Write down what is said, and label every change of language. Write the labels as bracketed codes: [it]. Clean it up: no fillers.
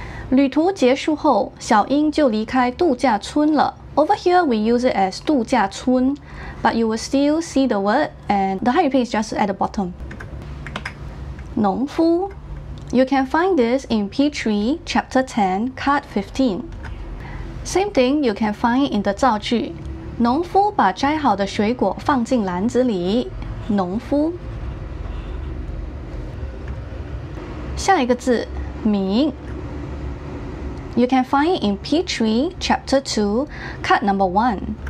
[zh] 旅途结束后, 小英就离开度假村了. [en] Over here, we use it as 度假村, but you will still see the word, and the 汉语拼音 is just at the bottom. 农夫, you can find this in P3, Chapter 10, Card 15. Same thing, you can find it in the 造句. [zh] 农夫把摘好的水果放进篮子里。农夫。下一个字，民。 [en] You can find it in P3, Chapter 2, Cut Number 1.